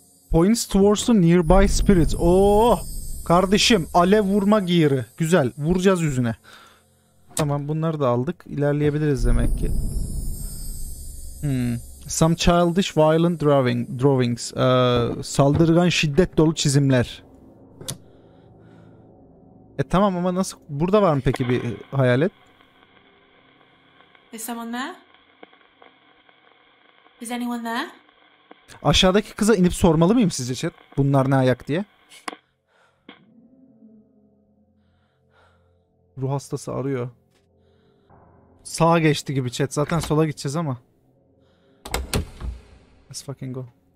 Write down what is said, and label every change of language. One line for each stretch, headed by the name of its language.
English: Points towards the nearby spirit.
Turkish: Oo, kardeşim, alev vurma gear'ı. Güzel, vuracağız yüzüne. Tamam, bunları da aldık. İlerleyebiliriz demek ki.
English: Some childish violent drawings.
Turkish: Saldırgan şiddet dolu çizimler. E tamam ama nasıl? Burada var mı peki bir hayalet?
English: Is someone there? Is anyone there?
Turkish: Aşağıdaki kıza inip sormalı mıyım sizce chat? Bunlar ne ayak diye? Ruh hastası arıyor. Sağa geçti gibi chat. Zaten sola gideceğiz ama.
English: Let's fucking go.